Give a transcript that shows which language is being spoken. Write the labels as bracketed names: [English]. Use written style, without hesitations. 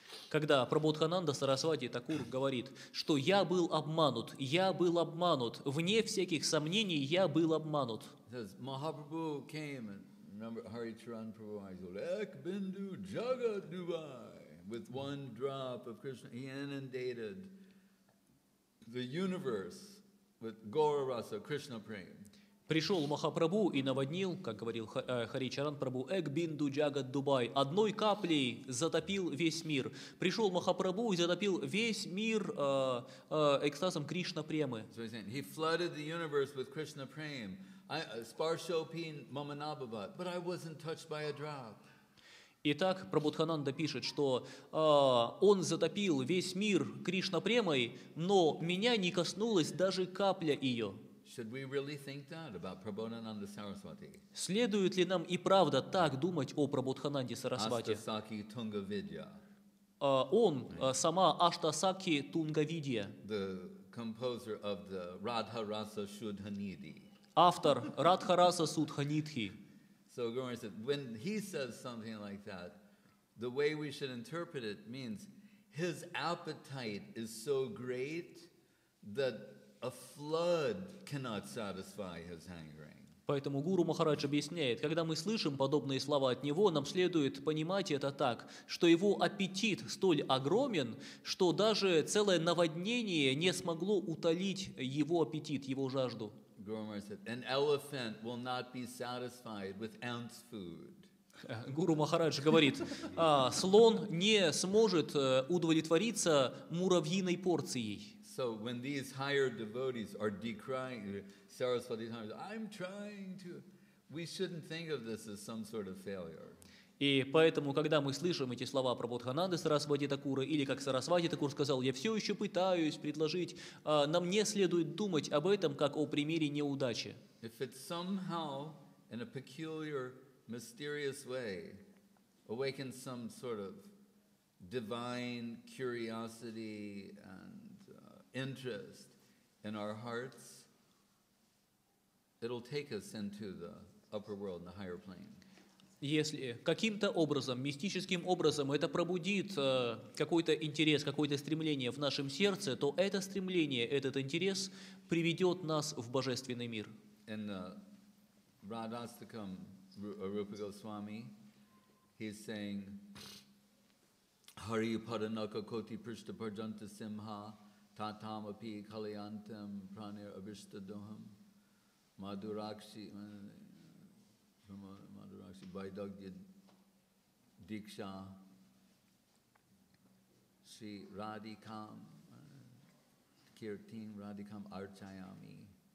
[Russian] Когда Прабхутхананда Сарасвати Такур говорит, что я был обманут, вне всяких сомнений, я был обманут. [English] Mahaprabhu came and remember Hari Charan Prabhu, he said, [Bangla] Ek Bindu Jagat Dubai, [English] with one drop of Krishna, he inundated the universe with Gaura Rasa, Krishna Prem. [Russian] Пришел Махапрабху и наводнил, как говорил Хари Чаран Прабху, [Bangla] Эк Бинду Джагат Дубай, [Russian] одной каплей затопил весь мир. Пришел Махапрабху и затопил весь мир экстазом Кришна Премы. [English] He flooded the universe with Krishna Prem. [Sanskrit] Sparshopin Mamanabhavat, [English] but I wasn't touched by a drop. [Russian] Итак, Прабхутхананда пишет, что он затопил весь мир Кришна-премой, но меня не коснулась даже капля ее. [English] Should we really think that about Prabodhananda Saraswati? [Russian] Следует ли нам и правда так думать о Прабхутхананде Сарасвати? Аштасакхи Тунгавидья. Он, сама Аштасакхи Тунгавидья. [English] The composer of the Radha Rasa Shudhanidhi. [Russian] Автор Радха Раса Судханидхи. [English] So Gaurang said, when he says something like that, the way we should interpret it means his appetite is so great that a flood cannot satisfy his hankering. [Russian] Поэтому Гуру Махарадж объясняет, когда мы слышим подобные слова от него, нам следует понимать это так, что его аппетит столь огромен, что даже целое наводнение не смогло утолить его аппетит, его жажду. Гуру Махарадж говорит, слон не сможет удовлетвориться муравьиной порцией. [English] So when these higher devotees are decrying Saraswati Thakur, I'm trying to, we shouldn't think of this as some sort of failure. [Russian] И поэтому, когда мы слышим эти слова про Бодхананды Сарасвати Такура, или как Сарасвати Такур сказал, я все еще пытаюсь предложить, нам не следует думать об этом как о примере неудачи. [English] If it somehow, in a peculiar, mysterious way, awakens some sort of divine curiosity and interest in our hearts, it'll take us into the upper world, the higher plane. [Russian] Если каким-то образом, мистическим образом, это пробудит какой-то интерес, какое-то стремление в нашем сердце, то это стремление, этот интерес приведет нас в божественный мир. [English] In the Radhastakam, Rupa Goswami, he's saying, [Sanskrit] Hari Padanaka Koti Prishta Parjanta Simha, Tatam api kalyantam pranir abhishta doham madurakshi madurakshi vaidagya diksha shri radhikam kirtim radhikam archayami.